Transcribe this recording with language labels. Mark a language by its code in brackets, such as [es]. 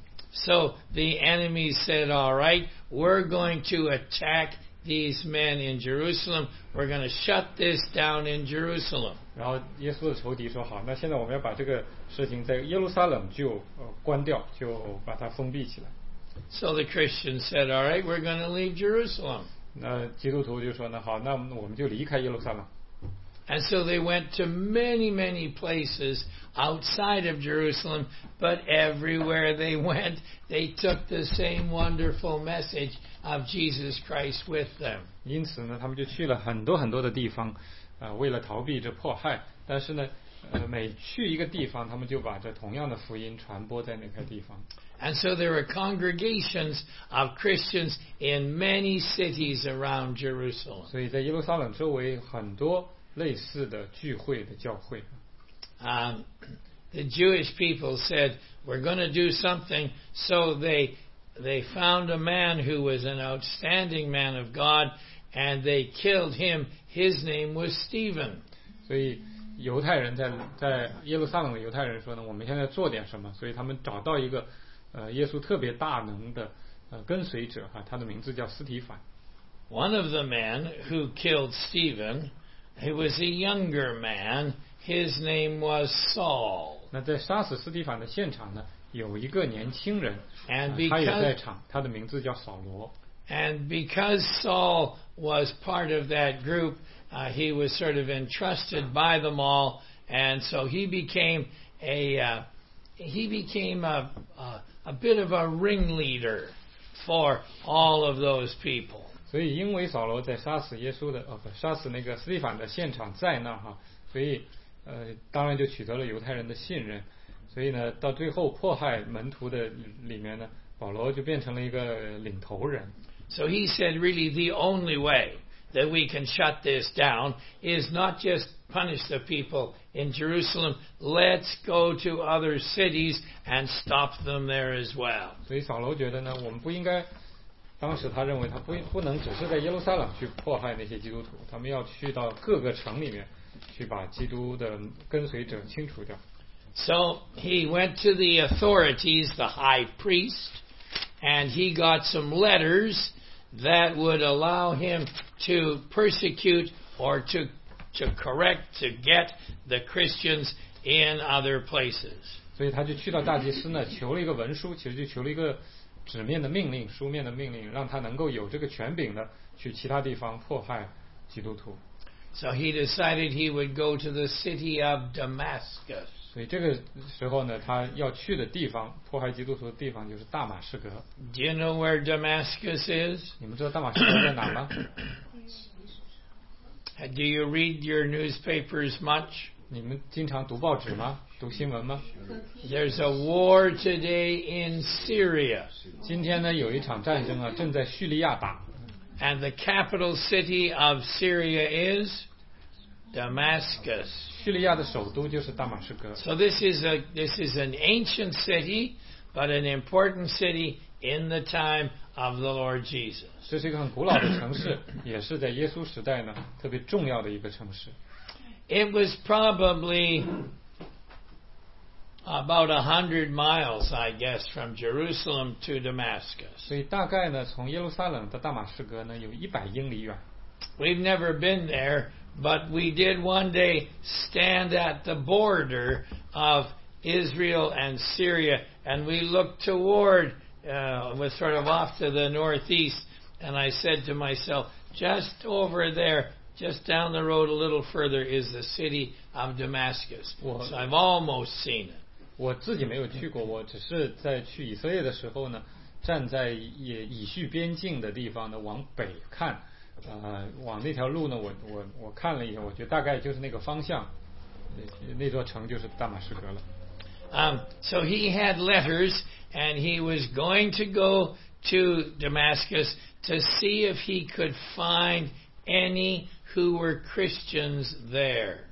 [en] So the enemy said, "All right, we're going to attack." These men in Jerusalem, we're going to shut this down in Jerusalem. [zh] 然后耶稣的仇敌说好，那现在我们要把这个事情在耶路撒冷就关掉，就把它封闭起来。 [en] So the Christians said, "All right, we're going to leave Jerusalem." [zh] 那基督徒就说呢，好，那我们就离开耶路撒冷。 [en] And so they went to many, many places outside of Jerusalem, but everywhere they went, they took the same wonderful message of Jesus Christ with them. [zh] 因此呢，他们就去了很多很多的地方，为了逃避这迫害。但是呢，每去一个地方，他们就把这同样的福音传播在那个地方。 [en] And so there were congregations of Christians in many cities around Jerusalem. [zh] 所以在耶路撒冷周围很多类似的聚会的教会。 [en] The Jewish people said, "We're going to do something." So they found a man who was an outstanding man of God, and they killed him. His name was Stephen. [zh] 所以犹太人在耶路撒冷的犹太人说呢，我们现在做点什么？所以他们找到一个耶稣特别大能的跟随者哈，他的名字叫斯提凡。 [en] One of the men who killed Stephen. He was a younger man. His name was Saul. [zh] 那在杀死斯蒂凡的现场呢，有一个年轻人，他也在场，他的名字叫扫罗。 [en] And because Saul was part of that group, he was sort of entrusted by them all, and so he became a bit of a ringleader for all of those people. [zh] 所以因为扫罗在杀死耶稣的杀死那个斯蒂凡的现场在那哈，所以当然就取得了犹太人的信任，所以呢到最后迫害门徒的里面呢，保罗就变成了一个领头人。 [en] So he said really the only way that we can shut this down is not just punish the people in Jerusalem, let's go to other cities and stop them there as well. [zh] 所以扫罗觉得呢，我们不应该，当时他认为他不能只是在耶路撒冷去迫害那些基督徒，他们要去到各个城里面去把基督的跟随者清除掉。 [en] So he went to the authorities, the high priest, and he got some letters that would allow him to persecute or to get the Christians in other places. [zh] 所以他就去到大祭司那求了一个文书，其实就求了一个纸面的命令，书面的命令，让他能够有这个权柄的去其他地方迫害基督徒。 [en] So he decided he would go to the city of Damascus. [zh] 所以这个时候呢，他要去的地方，迫害基督徒的地方就是大马士革。 [en] Do you know where Damascus is? [zh] 你们知道大马士革在哪吗？ [en] Do you read your newspapers much? [zh] 你们经常读报纸吗？读新闻吗？ [en] There's a war today in Syria. [zh] 今天呢有一场战争啊，正在叙利亚打。 [en] And the capital city of Syria is Damascus. [zh] 叙利亚的首都就是大马士革。 [en] So this is an ancient city, but an important city in the time of the Lord Jesus. [zh] 这是一个很古老的城市，也是在耶稣时代呢特别重要的一个城市。 [en] It was probably about 100 miles, I guess, from Jerusalem to Damascus. [zh] 所以大概呢，从耶路撒冷到大马士革呢，有100英里远。 [en] We've never been there, but we did one day stand at the border of Israel and Syria, and we looked toward, was sort of off to the northeast, and I said to myself, just over there, just down the road a little further, is the city of Damascus. So I've almost seen it. [zh] 我自己没有去过，我只是在去以色列的时候呢，站在以叙边境的地方呢往北看，往那条路呢，我看了一下，我觉得大概就是那个方向，那座城就是大马士革了。 [en] So he had letters, and he was going to go to Damascus to see if he could find any who were Christians there.